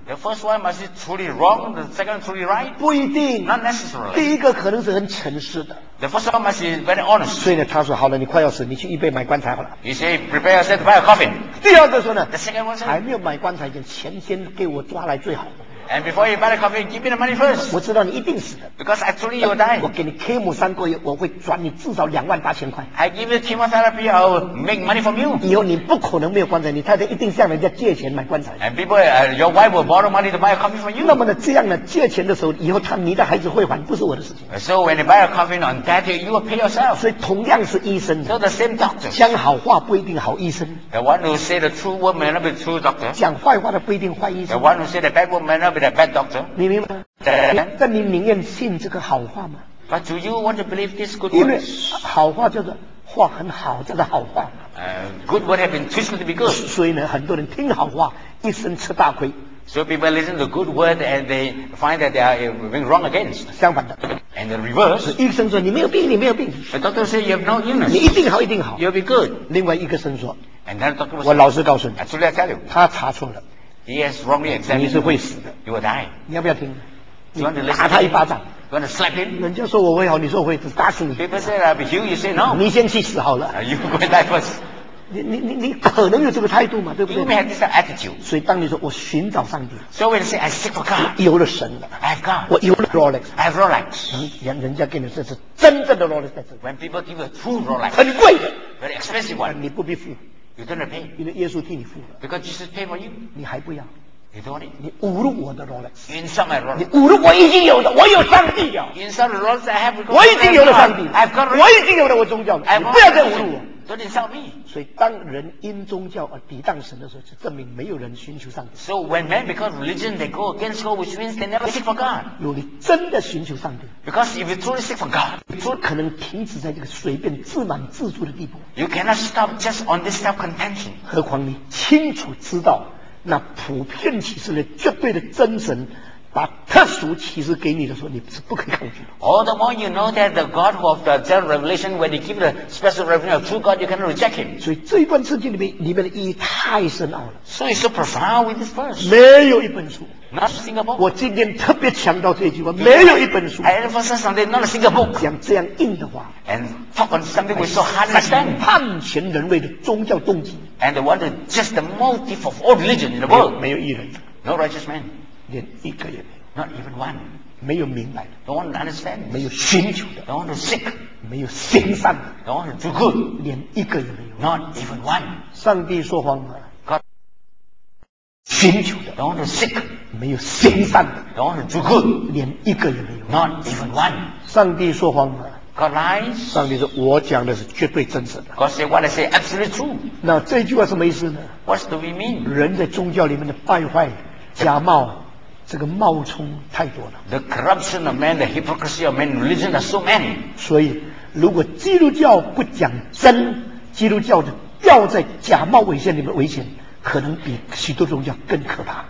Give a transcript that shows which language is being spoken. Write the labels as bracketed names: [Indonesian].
[English] ？The first one must be truly wrong. The second truly right. [Chinese] 不一定。 [English] Not necessarily. [Chinese] 第一个可能是很诚实的。 [English] The first one must be very honest. [Chinese] 所以呢，他说好了，你快要死，你去预备买棺材好了。 [English] He say prepare yourself to buy a coffin. [Chinese] 第二个说呢 [English] ，The second one said, [Chinese] 还没有买棺材前，钱先给我抓来最好。 [English] And before you buy the coffee, give me the money first. [Chinese] 我知道你一定死的。 [English] Because I truly will die. [Chinese] 我给你 chemo 三个月，我会转你至少28000块。 [English] I give you chemotherapy, I'll make money from you. [Chinese] 以后你不可能没有棺材，你太太一定向人家借钱买棺材。 [English] And people, your wife will borrow money to buy a coffee from you. [Chinese] 那么呢，这样呢，借钱的时候，以后他你的孩子会还，不是我的事情。 [English] So when you buy a coffee on that, you will pay yourself. [Chinese] 所以同样是医生。 [English] So the same doctor. [Chinese] 讲好话不一定好医生。 [English] The one who say the true word may not be true doctor. [Chinese] 讲坏话的不一定坏医生。 [English] The one who say the bad word may not be a bad doctor. [Chinese] 你明白吗？但你宁愿信这个好话吗 [English] ？But do you want to believe this good word? [Chinese] 因为好话叫做话很好，叫做好话。 [English] Good word have been twisted to be good. [Chinese] 所以呢，很多人听好话，一生吃大亏。 [English] So people listen to good word and they find that they are being wrong against. [Chinese] 相反的。 [English] And the reverse. [Chinese] 医生说你没有病，你没有病。 [English] The doctor say you have no illness. [Chinese] 你一定好，一定好。 [English] You'll be good. [Chinese] 另外一个医生说。 [English] And then the doctor said, [Chinese] 我老实告诉你。 [English] Actually, I tell you. [Chinese] 他查错了。 [English] He has wrongly examined. [Chinese] 你是会死的。 [English] You will die. [Chinese] 你要不要听？ [English] You want to listen? [Chinese] 打他一巴掌。 [English] You want to slap him? [Chinese] 人家说我会好，你说我会死，打死你。 [English] People say I'll be healed. You say no. [Chinese] 你先去死好了。 [English] You go and die first. [Chinese] 你可能有这个态度嘛，对不对 [English] ？You may have this attitude. [Chinese] 所以当你说我寻找上帝 [English] ，So when you say I seek for God, [Chinese] 有了神了 [English] ，I have God. [Chinese] 我有了 Rolex. [English] I have Rolex. [Chinese] 人家给你这是真正的 Rolex 在这。 [English] When people give a true Rolex, [Chinese] 很贵的 [English] ，very expensive one. [Chinese] 你不必付。 [English] You don't pay. [Chinese] 因为耶稣替你付了。 [English] Because Jesus paid for you. [Chinese] 你还不要。 [English] You don't need. [Chinese] 你侮辱我的 Rolex. [English] You insult my Rolex. [Chinese] 你侮辱我已经有的，我有上帝了。 [English] You insult the Rolex I have. [Chinese] 我已经有了上帝。 [English] I've got. [Chinese] 我已经有了我宗教。 [English] I've got. [Chinese] 不要再侮辱我。 [English] Don't insult me. [Chinese] 所以当人因宗教而抵挡神的时候，就证明没有人寻求上帝。 [English] So when men because religion they go against God, which means they never seek for God. [Chinese] 如果你真的寻求上帝 [English] ，Because if you truly seek for God, [Chinese] 你不可能停止在这个随便自满自足的地步。 [English] You cannot stop just on this self-contention. [Chinese] 何况你清楚知道那普遍启示的绝对的真神。把特殊启示给你的时候，你是不可以抗拒的。 [English] All the more you know that the God who of the general revelation, when he gives the special revelation of true God, you cannot reject him. [Chinese] 所以这一段圣经里面的意义太深奥了。 [English] So it's so profound with this verse. [Chinese] 没有一本书。 [English] Not a single book. [Chinese] 我今天特别强调这句话，没有一本书。 [English] I emphasize something, not a single book. [Chinese] 讲这样硬的话。 [English] And talk on something with so hard understand. [Chinese] 判前人类的宗教动机。 [English] And the one that just the motive of all religion in the world. [Chinese] 没有一人。 [English] No righteous man. [Chinese] 连一个也没有 [English] ，Not even one， [Chinese] 没有明白的 [English] ，Don't want to understand， [Chinese] 没有寻求的 [English] ，Don't want to seek， [Chinese] 没有行善的 [English] ，Don't want to do good， [Chinese] 连一个也没有 [English] ，Not even one， [Chinese] 上帝说谎吗 [English] ？God， [Chinese] 寻求的 [English] ，Don't want to seek， [Chinese] 没有行善的 [English] ，Don't want to do good， [Chinese] 连一个也没有 [English] ，Not even one， [Chinese] 上帝说谎吗 [English] ？God lies， [Chinese] 上帝说我讲的是绝对真实的 [English] ，God say what I say absolutely true， [Chinese] 那这句话什么意思呢 [English] ？What do we mean？ [Chinese] 人在宗教里面的败坏、假冒。这个冒充太多了。 [English] The corruption of man, the hypocrisy of man, religion are so many. [Chinese] 所以，如果基督教不讲真，基督教就掉在假冒伪善里面，危险可能比许多宗教更可怕。